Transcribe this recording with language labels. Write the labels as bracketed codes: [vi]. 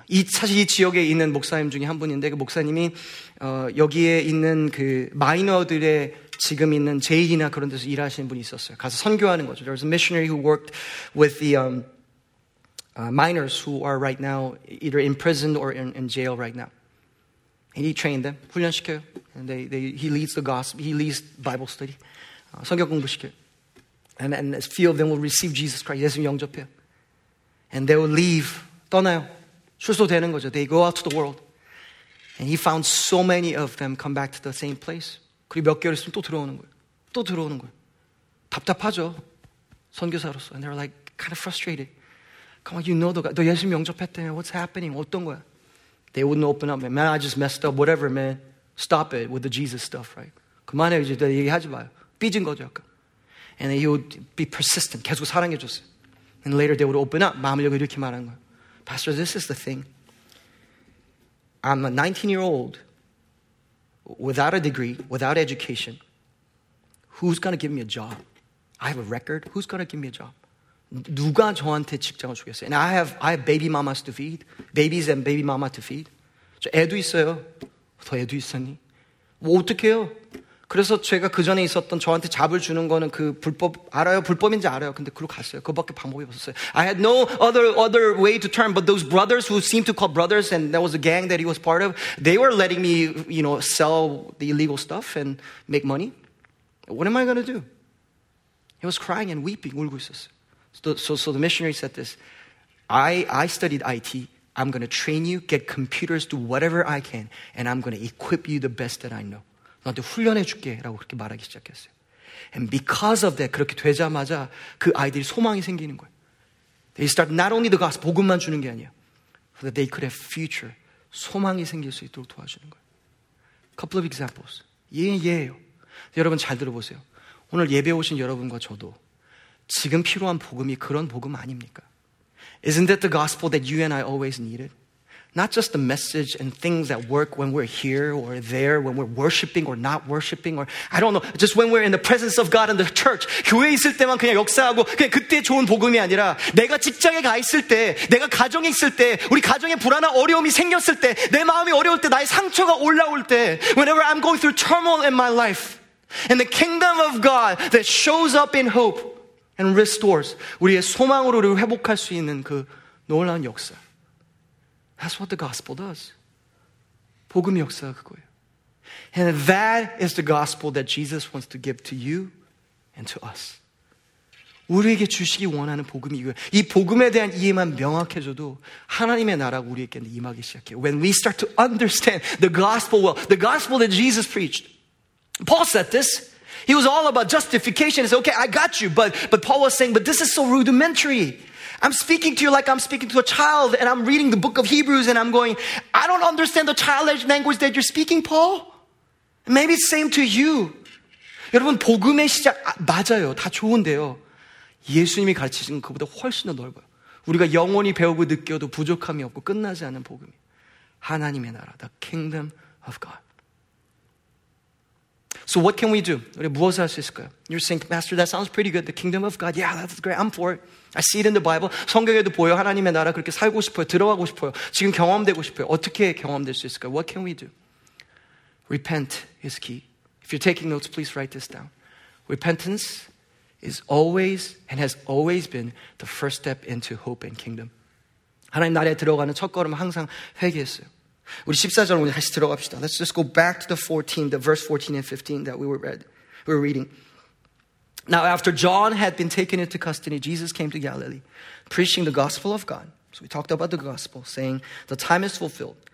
[ko] 사실 이 지역에 있는 목사님 중에 한 분인데 그 목사님이 여기에 있는 그 마이너들의 지금 있는 제일이나 그런 데서 일하시는 분이 있었어요. 가서 선교하는 거죠. [en] There was a missionary who worked with the minors who are right now either imprisoned or in jail right now. And he trained them, [ko] 훈련시켜요. [en] And he leads the gospel, he leads Bible study. [ko] 성경 공부시켜요. [en] And a few of them will receive Jesus Christ. [ko] 예수님 영접해요. [en] And they will leave, [ko] 떠나요. 출소되는 거죠. [en] They go out to the world. And he found so many of them come back to the same place. [ko] 그리고 몇 개월 있으면 또 들어오는 거예요. 또 들어오는 거예요. 답답하죠. 선교사로서. [en] And they're like kind of frustrated. Come on, you know the guy. [ko] 너 예수님 영접했다며. [en] What's happening? [ko] 어떤 거야? [en] They wouldn't open up. Man, I just messed up. Whatever, man. Stop it with the Jesus stuff, right? [ko] 그만해. 이제 얘기하지 마요. 삐진 거죠, 아까. [en] And he would be persistent. [ko] 계속 사랑해 줬어요. [en] And later they would open up. [ko] 마음을 열고 이렇게 말하는 거예요. [en] Pastor, this is the thing. I'm a 19-year-old without a degree, without education. Who's going to give me a job? I have a record. Who's going to give me a job? [ko] 누가 저한테 직장을 주겠어요? [en] And I have baby mamas to feed. Babies and baby mama to feed. [ko] 저 애도 있어요. 더 애도 있었니? 뭐 어떡해요? 그래서 제가 그 전에 있었던 저한테 잡을 주는 거는 그 불법, 알아요? 불법인지 알아요. 근데 그로 갔어요. 그거밖에 방법이 없었어요. [en] I had no other way to turn, but those brothers who seemed to call brothers, and that was a gang that he was part of, they were letting me, you know, sell the illegal stuff and make money. What am I going to do? He was crying and weeping, [ko] 울고 있었어요. [en] So the missionary said this, I studied IT. I'm going to train you, get computers, do whatever I can, and I'm going to equip you the best that I know. [ko] 너한테 훈련해 줄게 라고 그렇게 말하기 시작했어요. [en] And because of that, [ko] 그렇게 되자마자 그 아이들이 소망이 생기는 거예요. [en] They start not only the gospel, [ko] 복음만 주는 게 아니에요. [en] So that they could have future, [ko] 소망이 생길 수 있도록 도와주는 거예요. [en] Couple of examples. [ko] 예예요. 여러분 잘 들어보세요. 오늘 예배 오신 여러분과 저도 지금 필요한 복음이 그런 복음 아닙니까? [en] Isn't that the gospel that you and I always needed? Not just the message and things that work when we're here or there, when we're worshiping or not worshiping, or I don't know, just when we're in the presence of God in the church. [ko] 교회에 있을 때만 그냥 역사하고 그냥 그때 좋은 복음이 아니라 내가 직장에 가 있을 때, 내가 가정에 있을 때, 우리 가정에 불안한 어려움이 생겼을 때, 내 마음이 어려울 때, 나의 상처가 올라올 때, [en] whenever I'm going through turmoil in my life, and the kingdom of God that shows up in hope and restores, [ko] 우리의 소망으로 우리를 회복할 수 있는 그 놀라운 역사. [en] That's what the gospel does. [ko] 복음의 역사가 그거예요. [en] And that is the gospel that Jesus wants to give to you and to us. [ko] 우리에게 주시기 원하는 복음이 이거예요. 이 복음에 대한 이해만 명확해져도 하나님의 나라가 우리에게 임하기 시작해요. [en] When we start to understand the gospel well, the gospel that Jesus preached. Paul said this. He was all about justification. He said, okay, I got you. But Paul was saying, but this is so rudimentary. I'm speaking to you like I'm speaking to a child, and I'm reading the book of Hebrews, and I'm going, I don't understand the childish language that you're speaking, Paul. Maybe it's same to you. [ko] 여러분, 복음의 시작, 맞아요. 다 좋은데요. 예수님이 가르치신 것보다 훨씬 더 넓어요. 우리가 영원히 배우고 느껴도 부족함이 없고 끝나지 않는 복음이. 하나님의 나라, [en] the kingdom of God. So what can we do? [ko] 우리 무엇을 할 수 있을까요? [en] You're saying, Master, that sounds pretty good. The kingdom of God. Yeah, that's great. I'm for it. I see it in the Bible. [ko] 성경에도 보여. 하나님의 나라 그렇게 살고 싶어요. 들어가고 싶어요. 지금 경험되고 싶어요. 어떻게 경험될 수 있을까요? [en] What can we do? Repent is key. If you're taking notes, please write this down. Repentance is always and has always been the first step into hope and kingdom. [ko] 하나님 나라에 들어가는 첫 걸음은 항상 회개했어요. 우리 14절 오늘 다시 들어갑시다. [en] Let's just go back to the verse 14 and 15 that we were reading. Now after John had been taken into custody, Jesus came to Galilee, preaching the gospel of God. So we talked about the gospel, saying, the time is fulfilled.